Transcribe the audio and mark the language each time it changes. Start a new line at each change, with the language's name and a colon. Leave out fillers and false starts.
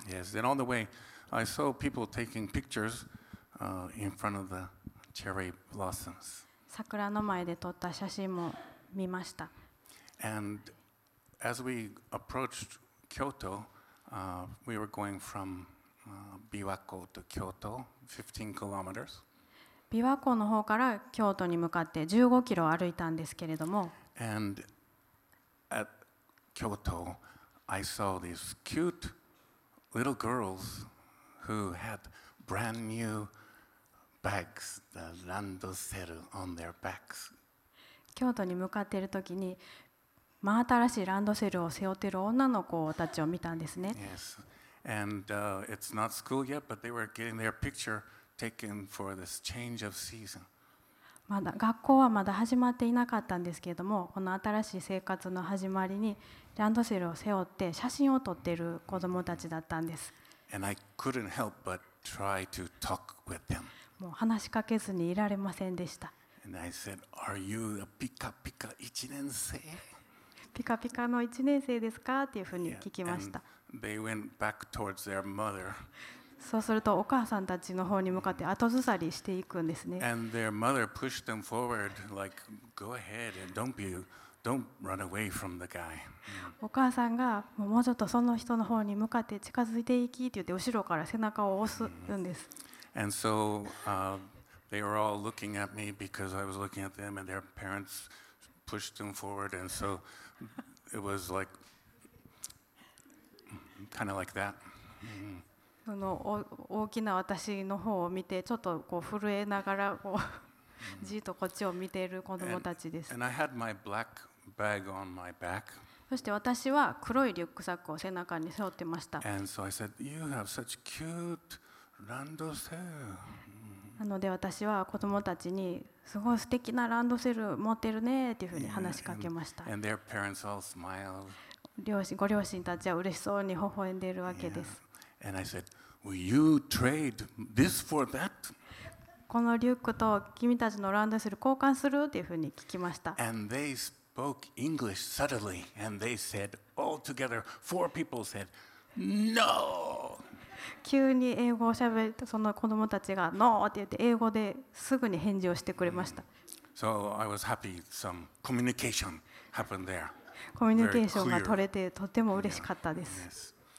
English: Yes, and on the way, I saw people taking pictures in front of the cherry blossoms.
Japanese: 桜の前で撮った写真も見ました。
English: And as we approached Kyoto,we were going from Biwako to Kyoto, 15 kilometers.
Japanese: 琵琶湖の方から京都に向かって15キロ歩いたんですけれども。
English: And at Kyoto, I saw these cute little girls who had brand new bags, the ランドセル on their backs.
Japanese: 京都に向かっているときに。真新しいランドセルを背負っている女の子たちを見たんですね。
English: Yes. And it's not school yet, but they were getting their picture taken for this change of season.
Japanese: まだ学校はまだ始まっていなかったんですけれども、この新しい生活の始まりにランドセルを背負って写真を撮っている子どもたちだったんです。
English: And I couldn't help but try to talk with them.
Japanese: もう話しかけずにいられませんでした。
English: And I said, "Are you a
Japanese: ピカピカ一年生?" ピカピカの1年生ですかっていうふうに聞きました。
English: They went back towards their mother.
Japanese: そうするとお母さんたちの方に向かって後ずさりしていくんですね。
English: And their mother pushed them forward, like, go ahead and don't run away from the guy.
Japanese: お母さんがもうちょっとその人の方に向かって近づいていきって言って後ろから背中を押すんです。
English: And so they were all looking at me because I was looking at them and their parents pushed them forward and so. It was like, kind of like that.
Japanese: その大きな私の方を見て、ちょっと震えながらじっとこっちを見ている子どもたちです。
English: And I had my black bag on my back.
Japanese: そして私は黒いリュックサックを背中に背負ってました。
English: And so I said, you have such cute ランドセル。
Japanese: なので私は子どもたちにすごい素敵なランドセル持ってるねっていうふうに話しかけました。
English: And their parents all smiled.
Japanese: ご両親たちは嬉しそうに微笑んでいるわけです。
English: And I said, will you trade this for that?
Japanese: このリュックと君たちのランドセル交換するっていうふうに聞きました。
English: And they spoke English subtly, and they said all together, four people said, no!
Japanese: 急に英語を喋ると、その子供たちが、no! って言って、英語ですぐに返事をしてくれました。
English: So I was happy some communication happened there.
Japanese: コミュニケーションが取れて、とても嬉しかったです。